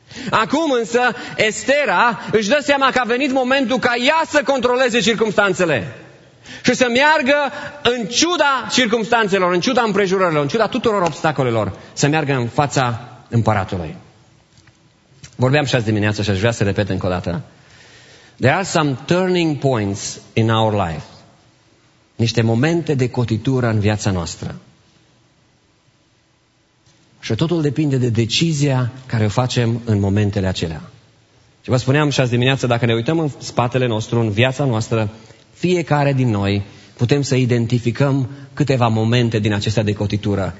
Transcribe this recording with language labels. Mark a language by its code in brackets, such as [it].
[ro] Acum însă Estera își dă seama că a venit momentul ca ea să controleze circumstanțele și să meargă în ciuda circumstanțelor, în ciuda împrejurărilor, în ciuda tuturor obstacolelor, să meargă în fața împăratului. Vorbeam și azi dimineață și aș vrea să repet încă o dată. [en] There are some turning points in our life. [ro] Niște momente de cotitură în viața noastră. Și totul depinde de decizia care o facem în momentele acelea. Și vă spuneam și azi dimineață, dacă ne uităm în spatele nostru, în viața noastră, fiecare din noi putem să identificăm câteva momente din acestea de cotitură.